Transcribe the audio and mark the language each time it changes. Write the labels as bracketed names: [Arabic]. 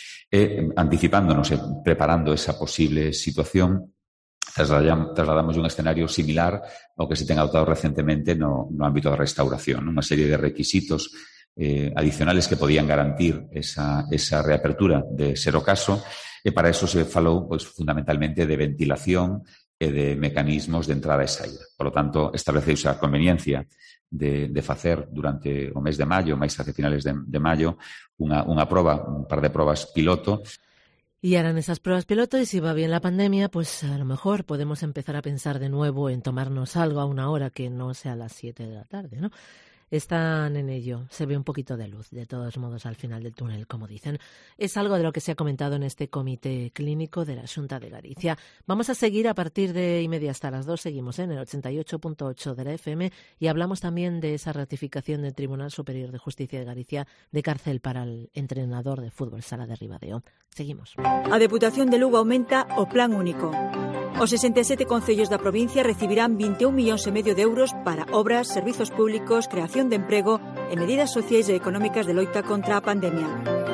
[Galician] E, anticipándonos, preparando esa posible situación, trasladamos un escenario similar ao que se ten adoptado recentemente no ámbito da restauración, ¿no? Unha serie de requisitos adicionales que podían garantir esa reapertura de ser o caso, e para eso se falou pues, fundamentalmente de ventilación e de mecanismos de entrada e saída. [Spanish] Por lo tanto, [Galician] estableceu a conveniencia de facer durante o mes de maio, máis hacia finales de maio, unha prova, un par de probas piloto. [Spanish] Y harán esas pruebas piloto y si va bien la pandemia, pues a lo mejor podemos empezar a pensar de nuevo en tomarnos algo a una hora que no sea las 7 de la tarde, ¿no? Están en ello, se ve un poquito de luz, de todos modos, al final del túnel, como dicen. Es algo de lo que se ha comentado en este comité clínico de la Xunta de Galicia. Vamos a seguir a partir de y media hasta las 2, seguimos en el 88.8 de la FM y hablamos también de esa ratificación del Tribunal Superior de Justicia de Galicia de cárcel para el entrenador de fútbol sala de Ribadeo. Seguimos. [Galician] A Deputación de Lugo aumenta o Plan Único. Os 67 concellos da provincia recibirán 21,5 millóns de euros para obras, servizos públicos, creación de emprego e medidas sociais e económicas de loita contra a pandemia.